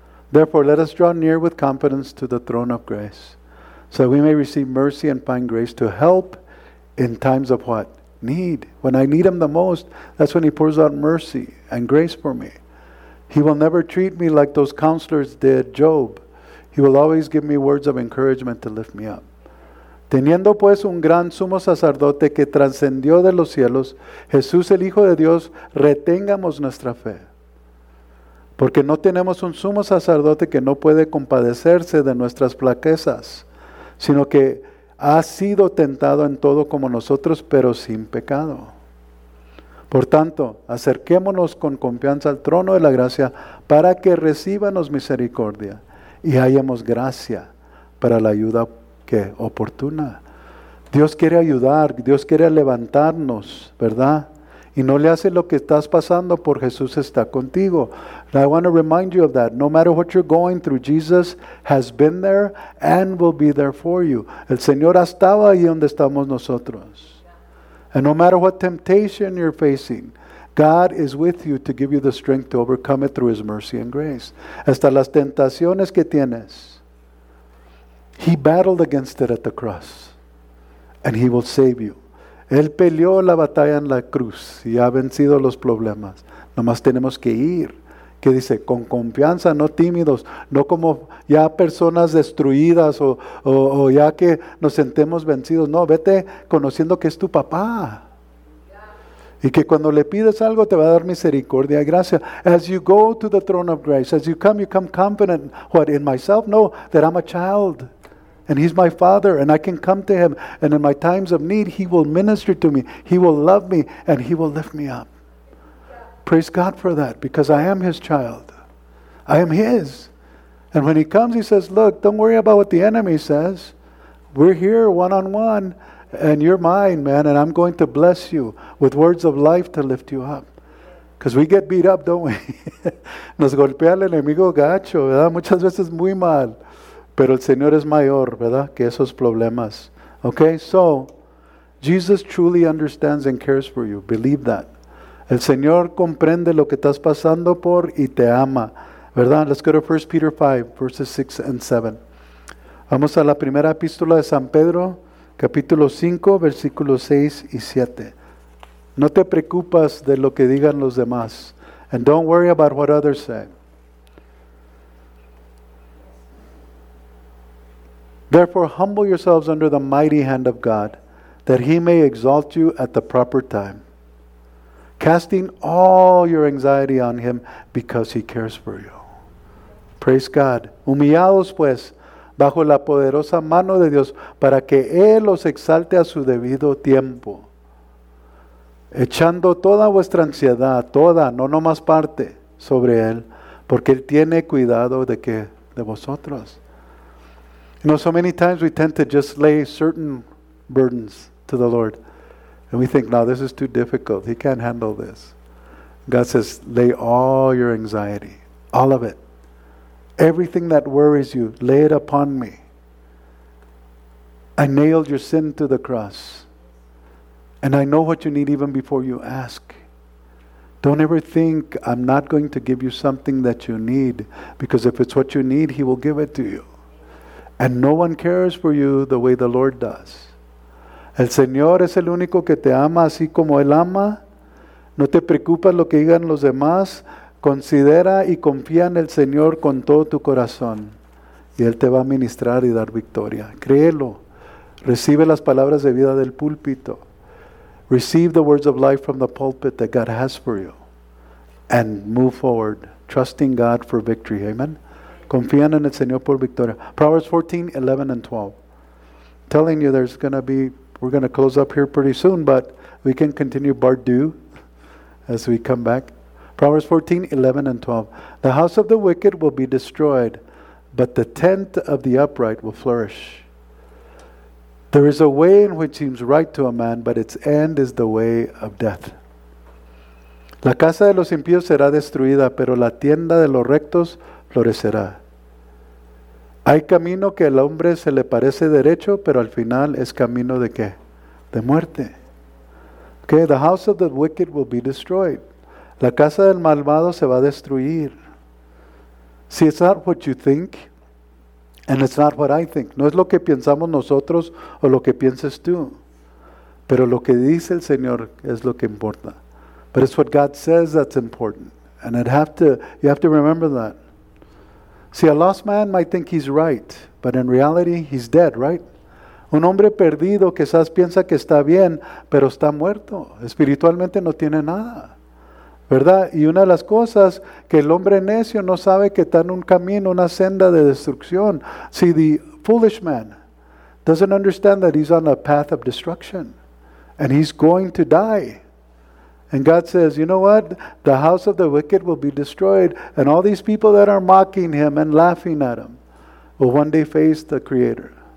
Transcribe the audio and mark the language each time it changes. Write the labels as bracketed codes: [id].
[en] Therefore, let us draw near with confidence to the throne of grace, so that we may receive mercy and find grace to help in times of what? Need. When I need him the most, that's when he pours out mercy and grace for me. He will never treat me like those counselors did Job. He will always give me words of encouragement to lift me up. [es] Teniendo pues un gran sumo sacerdote que trascendió de los cielos, Jesús el Hijo de Dios, retengamos nuestra fe. Porque no tenemos un sumo sacerdote que no puede compadecerse de nuestras flaquezas, sino que ha sido tentado en todo como nosotros, pero sin pecado. Por tanto, acerquémonos con confianza al trono de la gracia para que recibamos misericordia y hallemos gracia para la ayuda que oportuna. Dios quiere ayudar, Dios quiere levantarnos, ¿verdad? Y no le hace lo que estás pasando, por Jesús está contigo. [en] And I want to remind you of that. No matter what you're going through, Jesus has been there and will be there for you. [es] El Señor ha estado ahí donde estamos nosotros. [en] And no matter what temptation you're facing, God is with you to give you the strength to overcome it through His mercy and grace. [es] Hasta las tentaciones que tienes, [en] He battled against it at the cross. And He will save you. [es] Él peleó la batalla en la cruz y ha vencido los problemas. Nomás tenemos que ir. ¿Qué dice? Con confianza, no tímidos, no como ya personas destruidas o ya que nos sentemos vencidos. No, vete conociendo que es tu papá. Y que cuando le pides algo te va a dar misericordia y gracia. [en] As you go to the throne of grace, as you come confident. What, in myself? No, that I'm a child. And He's my Father, and I can come to Him. And in my times of need, He will minister to me. He will love me, and He will lift me up. Yeah. Praise God for that, because I am His child. I am His. And when He comes, He says, look, don't worry about what the enemy says. We're here one-on-one, and you're mine, man, and I'm going to bless you with words of life to lift you up. Because we get beat up, don't we? [es] Nos golpea el enemigo gacho, ¿verdad? Muchas veces muy mal. Pero el Señor es mayor, ¿verdad? Que esos problemas. [en] Okay, so Jesus truly understands and cares for you. Believe that. [es] El Señor comprende lo que estás pasando por y te ama, ¿verdad? [en] Let's go to 1 Peter 5, verses 6 and 7. [es] Vamos a la primera epístola de San Pedro, capítulo 5, versículos 6 y 7. No te preocupes de lo que digan los demás. [en] And don't worry about what others say. Therefore, humble yourselves under the mighty hand of God, that he may exalt you at the proper time, casting all your anxiety on him because he cares for you. Praise God. [es] Humillados pues bajo la poderosa mano de Dios para que él los exalte a su debido tiempo. Echando toda vuestra ansiedad, toda, no nomás parte, sobre él, porque él tiene cuidado de que de vosotros. [en] You know, so many times we tend to just lay certain burdens to the Lord. And we think, no, this is too difficult. He can't handle this. God says, lay all your anxiety, all of it. Everything that worries you, lay it upon me. I nailed your sin to the cross. And I know what you need even before you ask. Don't ever think I'm not going to give you something that you need. Because if it's what you need, he will give it to you. And no one cares for you the way the Lord does. [es] El Señor es el único que te ama así como Él ama. No te preocupes lo que digan los demás. Considera y confía en el Señor con todo tu corazón. Y Él te va a ministrar y dar victoria. Créelo. Recibe las palabras de vida del púlpito. [en] Receive the words of life from the pulpit that God has for you. And move forward, trusting God for victory. Amen. [es] Confían en el Señor por victoria. Proverbs 14, 11 and 12. [en] Telling you there's going to be, we're going to close up here pretty soon, but we can continue Bardu as we come back. Proverbs 14, 11 and 12. The house of the wicked will be destroyed, but the tent of the upright will flourish. There is a way in which seems right to a man, but its end is the way of death. [es] La casa de los impíos será destruida, pero la tienda de los rectos florecerá. Hay camino que al hombre se le parece derecho, pero al final es camino de qué? De muerte. [en] Okay, the house of the wicked will be destroyed. [es] La casa del malvado se va a destruir. [en] See, it's not what you think. And it's not what I think. [es] No es lo que pensamos nosotros o lo que pienses tú. Pero lo que dice el Señor es lo que importa. [en] But it's what God says that's important. And you have to remember that. See, a lost man might think he's right. But in reality, he's dead, right? [es] Un hombre perdido quizás piensa que está bien, pero está muerto. Espiritualmente no tiene nada. ¿Verdad? Y una de las cosas que el hombre necio no sabe que está en un camino, una senda de destrucción. [en] See, the foolish man doesn't understand that he's on a path of destruction. And he's going to die. And God says, you know what? The house of the wicked will be destroyed. And all these people that are mocking him and laughing at him will one day face the Creator.